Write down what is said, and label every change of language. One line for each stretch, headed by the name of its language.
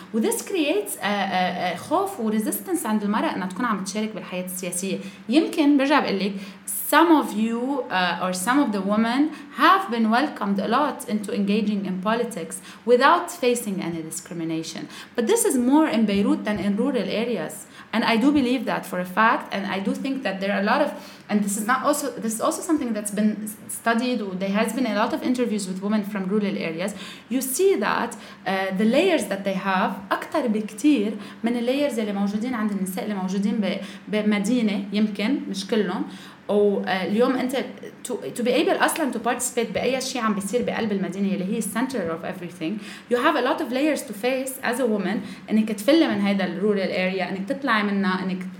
English: This creates a
Arabic: خوف و resistance عند المرأة أنها تكون عم تشارك بالحياة السياسية. يمكن برجع بقلك,
English: some of you or some of the women have been welcomed a lot into engaging in politics without facing any discrimination. But this is more in Beirut than in rural areas. And I do believe that for a fact. And I do think that there are a lot of, and this is not also, this is also something that's been studied. There has been a lot of interviews with women from rural areas. You see that the layers that they have,
Arabic: أكتر بكتير من اللايرز اللي موجودين عند النساء اللي موجودين بمدينة يمكن مش كلهم. واليوم أنت
English: to be able
Arabic: أصلاً
English: to participate
Arabic: بأي شيء عم بيصير بقلب المدينة اللي هي
English: center of everything, you have a lot of layers to face as a woman,
Arabic: أنك تفل من هيدا
English: rural area,
Arabic: أنك تطلع منها, أنك